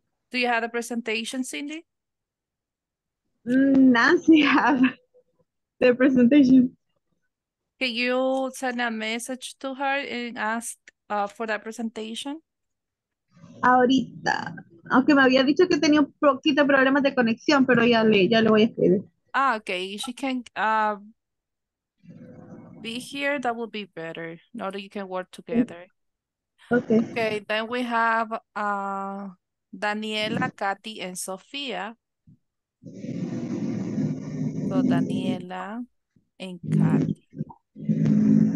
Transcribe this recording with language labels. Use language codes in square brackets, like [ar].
[en] Do you have a presentation, Cindy? Nancy have the presentation. Can you send a message to her and ask for that presentation? [es] Ahorita. Aunque me había dicho que tenía un poquito problemas de conexión, pero ya le voy a escribir. [en] Ah, okay. If she can be here, that would be better. Now that you can work together. Okay. Okay, then we have Daniela, Katy, and Sofia. So Daniela and Katy.